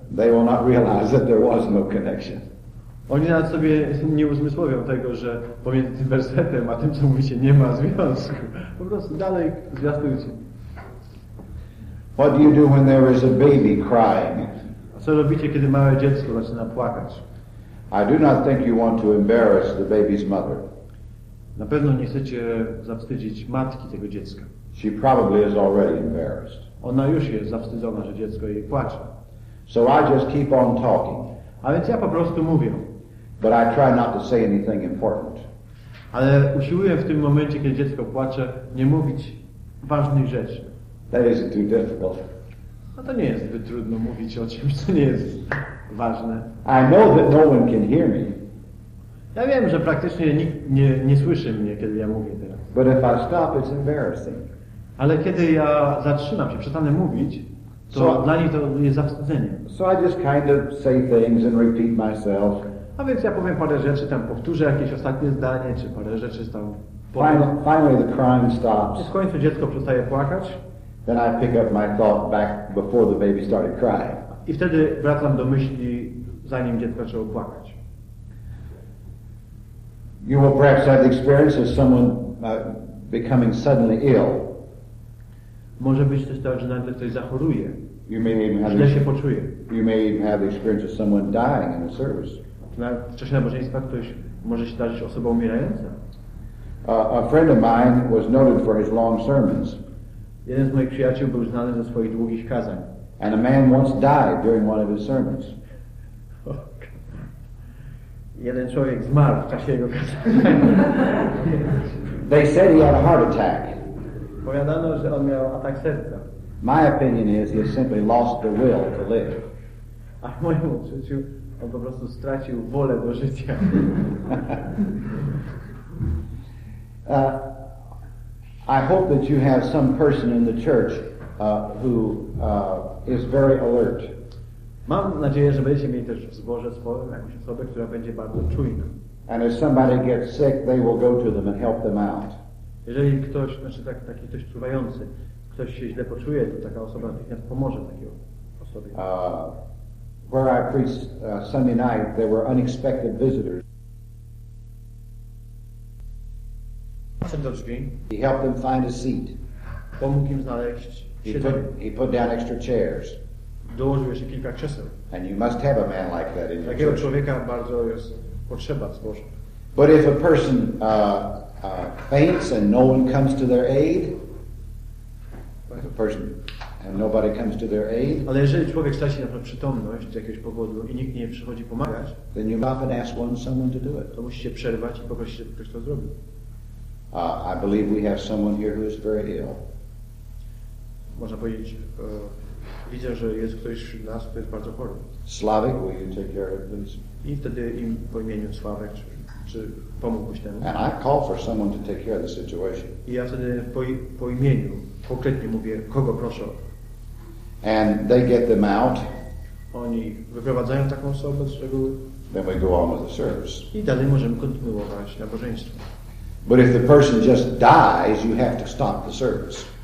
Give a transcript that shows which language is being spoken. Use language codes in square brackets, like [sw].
[en] They will not realize that there was no connection. [pl] Oni nawet sobie nie uzmysłowią tego, że pomiędzy tym wersetem a tym, co mówicie, nie ma związku. Po prostu dalej zwiastujcie. [en] What do you do when there is a baby crying? [pl] A co robicie, kiedy małe dziecko zaczyna płakać? [en] I do not think you want to embarrass the baby's mother. [pl] Na pewno nie chcecie zawstydzić matki tego dziecka. [en] She probably is already embarrassed. [pl] Ona już jest zawstydzona, że dziecko jej płacze. [en] So I just keep on talking. [pl] A więc ja po prostu mówię. [en] But I try not to say anything important. [pl] Ale usiłuję w tym momencie, kiedy dziecko płacze, nie mówić ważnych rzeczy. [en] That isn't too difficult. [pl] No to nie jest zbyt trudno mówić o czymś, co nie jest ważne. [en] I know that no one can hear me. [pl] Ja wiem, że praktycznie nikt nie słyszy mnie, kiedy ja mówię teraz. [en] But if I stop, it's embarrassing. [pl] Ale kiedy ja zatrzymam się, przestanę mówić, to dla nich to jest zawstydzenie. [en] So I just kind of say things and repeat myself. [pl] A więc ja powiem parę rzeczy, tam powtórzę jakieś ostatnie zdanie, czy parę rzeczy tam powiem. [en] Finally the crying stops. [pl] I w końcu dziecko przestaje płakać. [en] Then I pick up my thought back before the baby started crying. [pl] I wtedy wracam do myśli, zanim dziecko zaczęło płakać. [en] You will perhaps have the experience of someone becoming suddenly ill. [pl] Może być też tak, że nagle ktoś zachoruje. [en] You may even have [pl] źle się poczuje. [en] You may even have the experience of someone dying in the service. [pl] Nawet w czasie nabożeństwa ktoś może się zdarzyć osobą umierającą. [en] A friend of mine was noted for his long sermons. [pl] Jeden z moich przyjaciół był znany za swoich długich kazań. [en] And a man once died during one of his sermons. [pl] Jeden człowiek zmarł w czasie jego kazania. [en] They said he had a heart attack. [pl] Powiadano, że on miał atak serca. [en] My opinion is he has simply lost the will to live. [pl] A w moim odczuciu on po prostu stracił wolę do życia. [en] I hope that you have some person in the church who is very alert. [pl] Mam nadzieję, że będziecie mieli też w zborze swoim jakąś osobę, która będzie bardzo czujna. [en] And if somebody gets sick, they will go to them and help them out. [pl] Jeżeli ktoś, znaczy tak, taki ktoś czuwający, ktoś się źle poczuje, to taka osoba natychmiast pomoże takiej osobie. [en] Where I preached Sunday night, there were unexpected visitors. [pl] Do drzwi. [en] He helped them find a seat. [pl] Pomógł im znaleźć siedzenie. [en] He put down extra chairs. [pl] Dołożył jeszcze kilka krzeseł. [en] And you must have a man like that in your [pl] takiego [en] church. [pl] Człowieka bardzo jest potrzeba w zborze. [en] But if a person faints and no one comes to their aid, if a person and nobody comes to their aid, [pl] ale jeżeli człowiek straci na przykład przytomność z jakiegoś powodu i nikt nie przychodzi pomagać, [en] then you often ask one someone to do it. [pl] To musicie przerwać i poprosić, żeby ktoś to zrobił. [en] I believe we have someone here who is very ill. [pl] Można powiedzieć, widzę, że jest ktoś wśród nas, kto jest bardzo chory. [en] Slavik, will you take care of it, please? [pl] I wtedy im po imieniu Slavik, czy pomógłbyś temu? [en] And I call for someone to take care of the situation. [pl] I ja wtedy po imieniu konkretnie mówię, kogo proszę. [en] And they get them out. [pl] Oni wyprowadzają taką osobę z reguły. [en] Then we go on with the service. [pl] I dalej możemy kontynuować nabożeństwo. [en] But if the person just dies, you have to stop the service.